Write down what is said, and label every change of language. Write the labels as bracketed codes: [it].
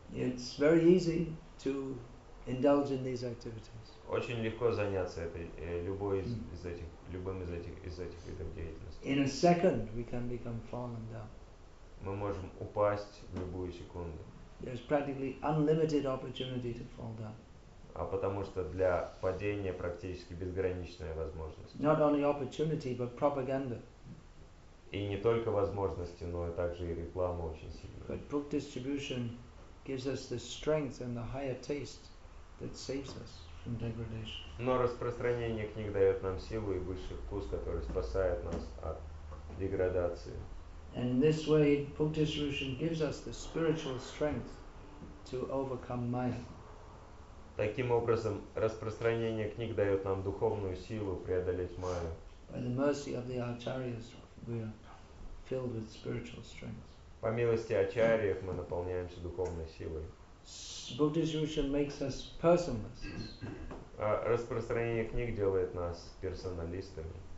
[en] It's very easy to indulge in these activities. [ru] Очень легко заняться любым из этих видов деятельности. [en] In a second we can become fallen down. [ru] Мы можем упасть в любую секунду. [en] There's practically unlimited opportunity to fall down. [ru] А потому что для падения практически безграничная возможность. [en] Not only opportunity, but propaganda. [ru] И не только возможности, но и также и реклама очень сильная. [en] But book distribution gives us the strength and the higher taste that saves us from degradation. [ru] Но распространение книг дает нам силу и высший вкус, который спасает нас от деградации. [en] And in this way, book distribution gives us the spiritual strength to overcome maya. [ru] Таким образом, распространение книг дает нам духовную силу преодолеть майю. [en] By the mercy of the acharyas, we are filled with spiritual strength. [ru] По милости ачарьев мы наполняемся духовной силой. [en] Book distribution makes us personless. [ru] Распространение книг делает нас персоналистами.